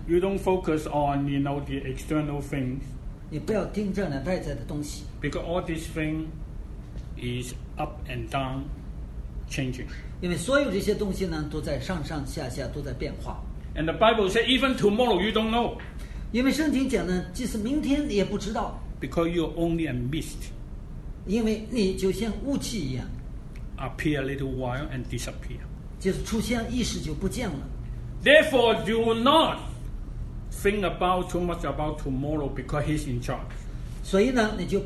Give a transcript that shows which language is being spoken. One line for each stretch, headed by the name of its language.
English: You don't focus on, you know, the external things.
Chinese: 你不要盯着外在的东西。
English: Because all these things is up and down, changing.
Chinese: 因为所有这些东西呢，都在上上下下，都在变化。
English: And the Bible says, even tomorrow you don't know.
Chinese: 因为圣经讲呢，即使明天你也不知道。
English: Because you're only a mist.
Chinese: 因为你就像雾气一样。
English: Appear a little while and disappear.
Chinese: 就是出现一时就不见了。
English: Therefore, do not think about too much about tomorrow because He's in charge.